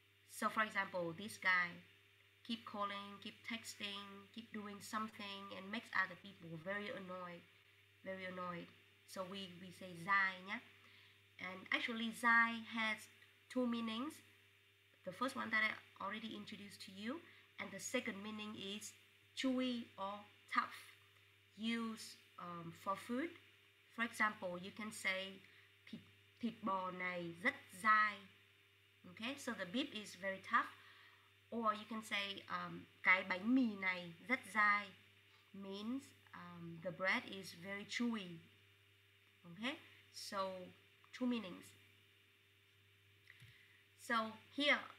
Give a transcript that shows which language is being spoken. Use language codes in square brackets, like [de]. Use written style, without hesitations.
[en] So for example, this guy keep calling, keep texting, keep doing something and makes other people very annoyed. So we say [vi] dài nhá. [en] And actually dài has two meanings. The first one that I already introduced to you, and the second meaning is chewy or tough, used for food. For example, you can say [vi] thịt bò này rất dai. [en] Okay, so the beef is very tough. Or you can say [vi] cái bánh mì này rất dai, [en] means the bread is very chewy. Okay, so two meanings. So here